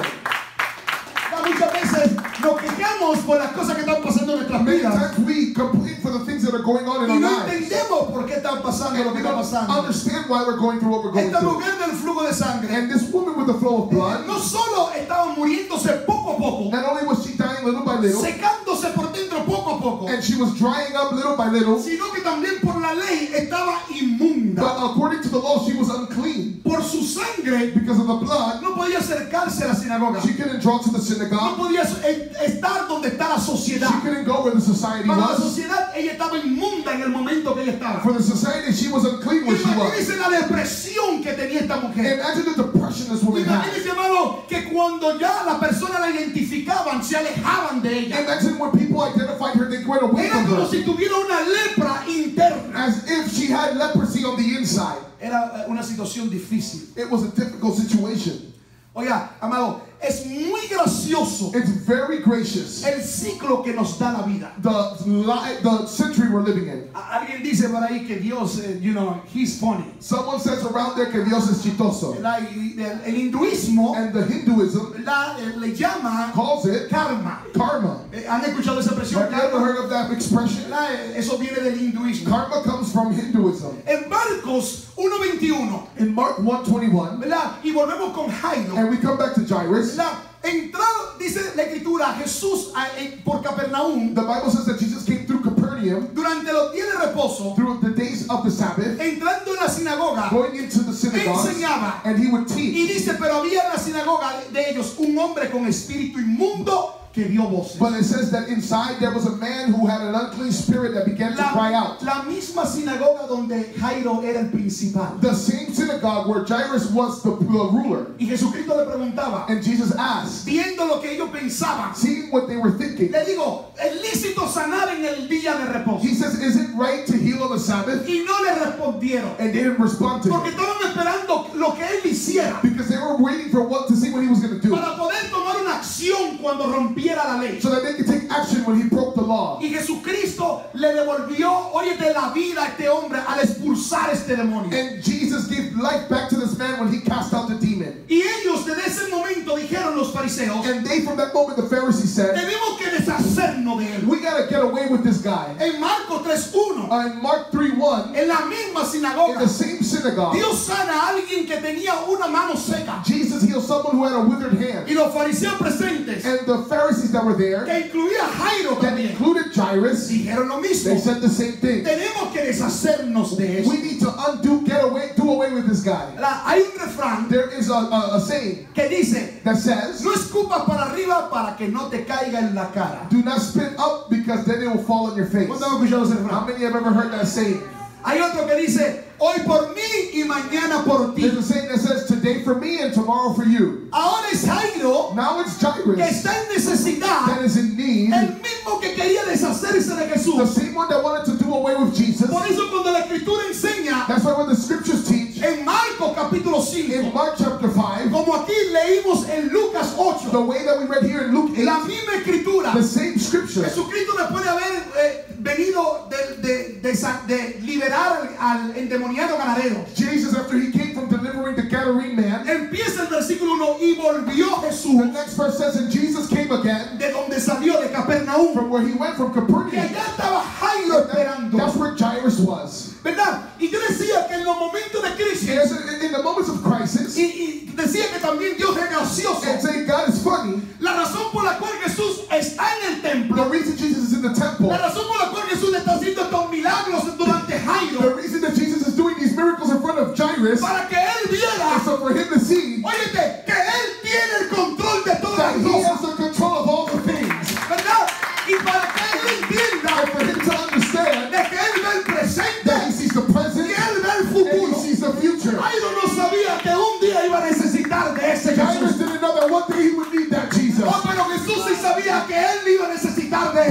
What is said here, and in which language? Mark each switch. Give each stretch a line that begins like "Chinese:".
Spanish: Muchas veces nos quejamos por las cosas que están pasando en nuestras vidas.
English: Many times we complain for the things that are going on in
Spanish: y
English: our
Spanish: no
English: lives.
Spanish: Y no entendemos por qué están pasando
English: and
Spanish: lo que está pasando.
English: Understand why we're going through what we're going
Spanish: esta
English: through.
Spanish: Esta mujer del flujo de sangre.
English: And this woman with the flow of blood.
Spanish: No solo estaba muriéndose poco a poco.
English: Not only was she dying little by little.
Spanish: Secándose por dentro poco a poco.
English: And she was drying up little by little.
Spanish: Sino que también por la ley estaba inmunda.
English: But according to the law, she was unclean.
Spanish: Por su sangre.
English: Because of the blood.
Spanish: No podía acercarse a la sinagoga.
English: She couldn't draw to the synagogue.
Spanish: No podía estar donde está la sociedad.
English: She couldn't go where the society
Spanish: para
English: was.
Spanish: La sociedad, ella estaba inmunda en el momento que ella estaba.
English: For the society, she was unclean where she was.
Spanish: Imagínese la depresión que tenía esta mujer.
English: Imagine the depression this woman
Spanish: had.
English: Imagínese, hermano, que cuando ya la persona la identificaban, se alejaban de ella.
Spanish: Imagine when people identified her, they went away
English: era
Spanish: from her.
English: Era como si tuviera una lepra interna.
Spanish: As if she had leprosy on the inside.
English: Era una situación difícil.
Spanish: It was a difficult situation.
English: Oiga, amado, es muy gracioso.
Spanish: It's very gracious.
English: El ciclo que nos da la vida.
Spanish: The century we're living in.
English: Alguien dice por ahí que Dios, you know, he's funny.
Spanish: Someone says around there que Dios es chistoso.
English: El hinduismo.
Spanish: And the Hinduism.
English: Le llama.
Spanish: Calls it.
English: Karma.
Spanish: Karma.
English: ¿Han escuchado esa expresión?
Spanish: Have you ever heard of that expression?
English: Eso viene del hinduismo.
Spanish: Karma comes from Hinduism.
English: En Marcos 1:21.
Spanish: In Mark 1:21.
English: ¿Verdad? Y volvemos con Jairo.
Spanish: And we come back to Jairo.
English: Entrado, dice la escritura, Jesús por Capernaum.
Spanish: The Bible says that Jesus came through Capernaum.
English: Durante los días de reposo.
Spanish: Through the days of the Sabbath.
English: Entrando en la sinagoga.
Spanish: Going into the synagogue.
English: Enseñaba.
Spanish: And he would teach.
English: Y dice, pero había en la sinagoga de ellos un hombre con espíritu inmundo que dio voces.
Spanish: But it says that inside there was a man who had an unclean spirit that began to cry out.
English: La misma sinagoga donde Jairo era el principal.
Spanish: The same synagogue where Jairus was the ruler.
English: Y Jesucristo le preguntaba.
Spanish: And Jesus asked.
English: Viendo lo que ellos pensaban.
Spanish: Seeing what they were thinking.
English: Le digo, ¿es lícito sanar en el día de reposo?
Spanish: He says, is it right to heal on the Sabbath?
English: Y no le respondieron.
Spanish: And they didn't respond to
English: porque
Spanish: him.
English: Porque estaban esperando lo que él hiciera.
Spanish: Because they were waiting for what to see what he was going to do.
English: Para poder tomar una acción cuando rompía.
Spanish: So that they could take action when he broke the law.
English: Y Jesucristo le devolvió, oye, de la vida a este hombre al expulsar este demonio.
Spanish: And Jesus gave life back to this man when he cast out the demon.
English: Y ellos desde ese momento dijeron los fariseos.
Spanish: And they from that moment the Pharisees said.
English: Tenemos que deshacernos de él.
Spanish: We gotta get away with this guy.
English: En Marcos 3:1.
Spanish: In Mark 3:1.
English: En la misma sinagoga.
Spanish: In the same synagogue.
English: Dios sana a alguien que tenía una mano seca.
Spanish: Jesus healed someone who had a withered hand.
English: Y los fariseos presentes.
Spanish: And the Pharisees that were there
English: que incluía Jairo
Spanish: that
English: también.
Spanish: Included Jairus
English: dijeron lo mismo.
Spanish: They said the same thing.
English: Tenemos que deshacernos de eso.
Spanish: We need to undo, get away, do away with this guy.
English: Hay un refrán.
Spanish: There is a saying
English: que dice,
Spanish: that says,
English: no escupas para arriba para que no te caiga en la cara.
Spanish: Do not spit up because then it will fall on your face.
English: ¿Cuántos han escuchado ese refrán?
Spanish: How many have ever heard that saying?
English: Hay otro que dice, hoy por mí y mañana por ti.
Spanish: There's a saying that says, today for me and tomorrow for you.
English: Ahora es Jairo.
Spanish: Now it's Jairus.
English: Que está en necesidad.
Spanish: That is in need.
English: El mismo que quería deshacerse de Jesús.
Spanish: The same one that wanted to do away with Jesus.
English: Por eso cuando la escritura enseña.
Spanish: That's why when the scriptures teach.
English: En Marcos capítulo 5.
Spanish: In Mark chapter 5.
English: Como aquí leímos en Lucas 8.
Spanish: The way that we read here in Luke 8.
English: La misma escritura.
Spanish: The same scripture.
English: Jesucristo le puede haber venido de liberar al endemoniado ganadero.
Spanish: Jesus, after he came from delivering the Gadarene man,
English: empieza el versículo 1 y volvió Jesús.
Spanish: The next verse says, and Jesus came again,
English: de donde salió de Capernaum,
Spanish: from where he went from Capernaum.
English: Y allá estaba Jairo esperando.
Spanish: That's where Jairus was.
English: ¿Verdad? Y yo decía que en los momentos de crisis,
Spanish: in the moments of crisis,
English: y también Dios es gracioso.
Spanish: And say God is funny.
English: La razón por la cual Jesús está en el templo.
Spanish: The reason Jesus is in the temple.
English: La razón por la cual Jesús está haciendo estos milagros durante Jairo.
Spanish: The reason that Jesus is doing these miracles in front of Jairus.
English: Para que él viera.
Spanish: So for him to see.
English: Óyete, que él tiene el control de todas las
Spanish: cosas.
English: He has the control of all the things.
Spanish: ¿Verdad? Y para que él entienda.
English: And for him to understand.
Spanish: De que él ve el presente.
English: That he sees the present.
Spanish: Y él ve el futuro.
English: And he sees the future.
Spanish: Jairo no sabía que un día iba a necesitar de ese Jesús.
English: Jairus didn't know that one day he would need that Jesus.
Spanish: Oh, pero Jesús sí sabía que él iba a necesitar de él.